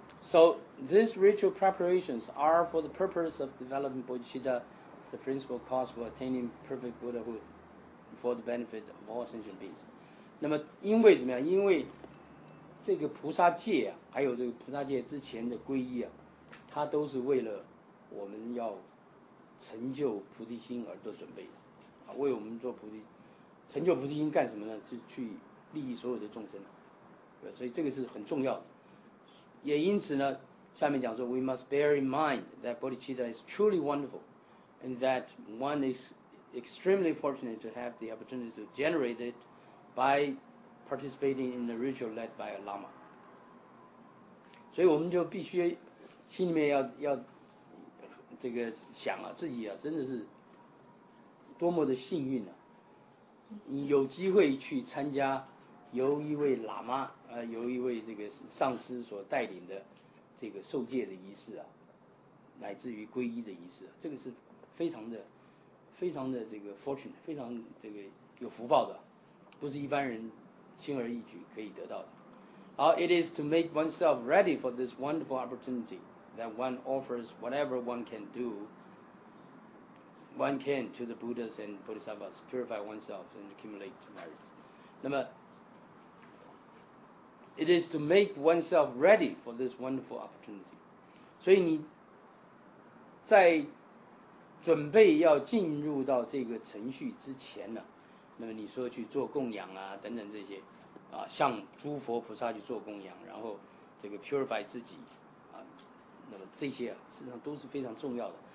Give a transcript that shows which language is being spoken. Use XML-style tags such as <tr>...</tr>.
<en>So these ritual preparations are for the purpose of developing bodhicitta, the principal cause for attaining perfect Buddhahood, for the benefit of all sentient beings.</en> <zh>那么因为怎么样？因为这个菩萨戒啊，还有这个菩萨戒之前的皈依啊，它都是为了我们要成就菩提心而做准备的，啊，为我们做菩提，成就菩提心干什么呢？是去利益所有的众生，对，所以这个是很重要的。也因此呢，下面讲说</zh> <en>，we must bear in mind that bodhicitta is truly wonderful, and that one is extremely fortunate to have the opportunity to generate it by participating in the ritual led by a lama.</en> <zh>所以我们就必须心里面要这个想啊，自己啊真的是多么的幸运啊！你有机会去参加由一位喇嘛。由一位这个上师所带领的这个受戒的仪式啊，乃至于皈依的仪式，啊，这个是非常的、非常的这个 fortune， 非常这个有福报的，不是一般人轻而易举可以得到的。好</zh> <en>，it is to make oneself ready for this wonderful opportunity that one offers whatever one can do, one can to the Buddhas and Bodhisattvas, purify oneself and accumulate merits.</en> <zh>那么</zh> <en>It is to make oneself ready for this wonderful opportunity.</en> <zh>所以你在准备要进入到这个程序之前呢，那么你说去做供养啊等等这些啊，向诸佛菩萨去做供养，然后这个 purify 自己啊，那么这些啊，实际上都是非常重要的。</zh>